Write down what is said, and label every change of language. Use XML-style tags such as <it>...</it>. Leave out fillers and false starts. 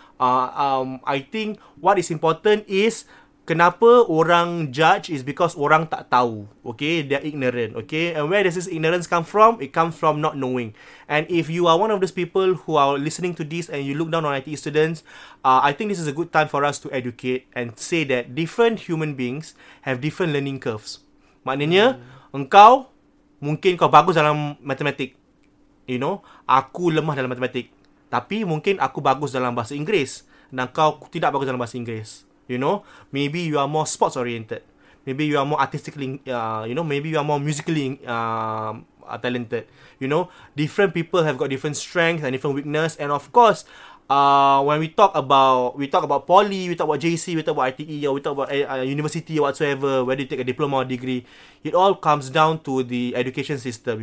<en>I think what is important is,</en> <ms>kenapa orang</ms> <en>judge is because</en> <ms>orang tak tahu.</ms> <en>Okay, they're ignorant. Okay, and where does this ignorance come from? It comes from not knowing. And if you are one of those people who are listening to this and you look down on IT students, I think this is a good time for us to educate and say that different human beings have different learning curves.</en> <ms>Maknanya, engkau mungkin kau bagus dalam matematik. You know, aku lemah dalam matematik. Tapi mungkin aku bagus dalam bahasa Inggeris dan kau tidak bagus dalam bahasa Inggeris.</ms> <en>You know, maybe you are more sports oriented. Maybe you are more artistically, you know, maybe you are more musically talented. You know, different people have got different strengths and different weakness. And of course, when we talk about poly, we talk about JC, we talk about ITE, or we talk about university or whatsoever, whether you take a diploma or degree, it all comes down to the education system.</en>